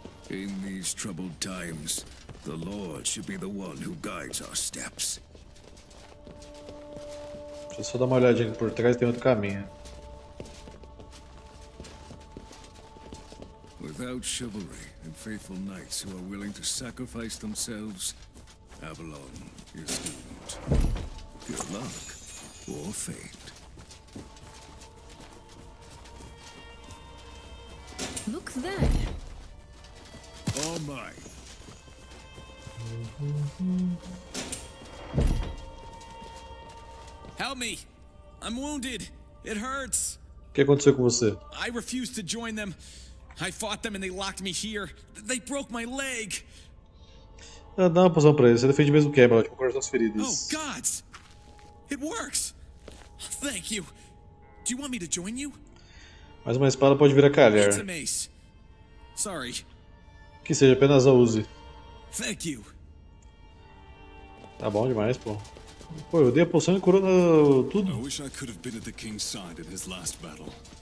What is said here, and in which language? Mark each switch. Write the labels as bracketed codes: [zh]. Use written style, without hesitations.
[en] In these troubled times, the Lord should be the one who guides our steps. [pt] Só dar uma olhadinha aqui por trás, tem outro caminho. [en] Without chivalry and faithful knights who are willing to sacrifice themselves, Avalon is doomed. Good luck or fate. Look there. Oh my. Help me! I'm wounded. It hurts. [pt] O que aconteceu com você? [en] I refused to join them. I fought them and they locked me here. They broke my leg. [pt] Dá uma poção pra eles. Você defende mesmo quebra, tipo, corta as feridas. [en] Oh gods! It works. Thank you. Do you want me to join you? [pt] Mais uma espada pode vir a calhar. [en] It's a mace. Sorry. [pt] Que seja, apenas a use. [en] Thank you. [pt] Tá bom demais, pô. Pô, eu dei a poção e curou tudo. [en] I wish I could have been at the king's side in his last battle.